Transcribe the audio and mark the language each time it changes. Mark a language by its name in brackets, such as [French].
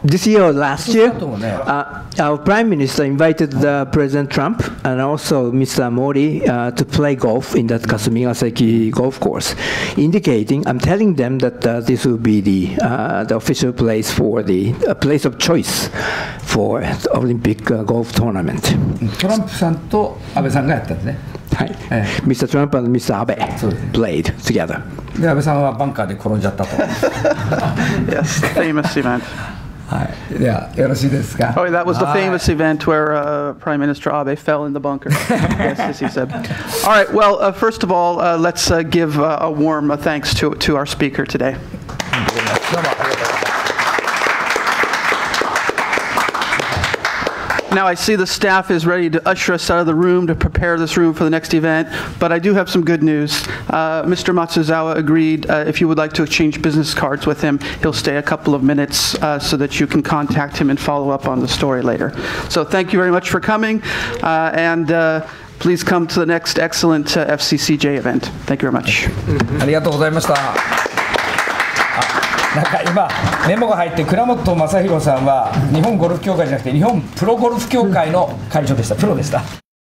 [English] This year or last year、ね、our prime minister invited the President Trump and also Mr. Mori、to play golf in that Kasumigaseki golf course indicating, I'm telling them that、this will be the,、the official place for the、place of choice for the Olympic、golf tournament [Japanese] トランプさんと安倍さんがやったんですね [English] はい、Mr. Trump and Mr. Abe played together. [Japanese] で、安倍さんはバンカーで転んじゃったと。 [English] yes, famous event. [Japanese] はい、ではよろしいですか。 [English] Oh, that was the famous event where、Prime Minister Abe fell in the bunker. yes, as he said. All right, well,、first of all, let's give、a warm thanks to our speaker today. Now I see the staff is ready to usher us out of the room to prepare this room for the next event, but I do have some good news.、Mr. Matsuzawa agreed、if you would like to exchange business cards with him, he'll stay a couple of minutes、so that you can contact him and follow up on the story later. So thank you very much for coming, and、please come to the next excellent、FCCJ event. Thank you very much. [Japanese] ありがとうございました。なんか今メモが入って倉本正弘さんは日本ゴルフ協会じゃなくて日本プロゴルフ協会の会長でした。プロでした。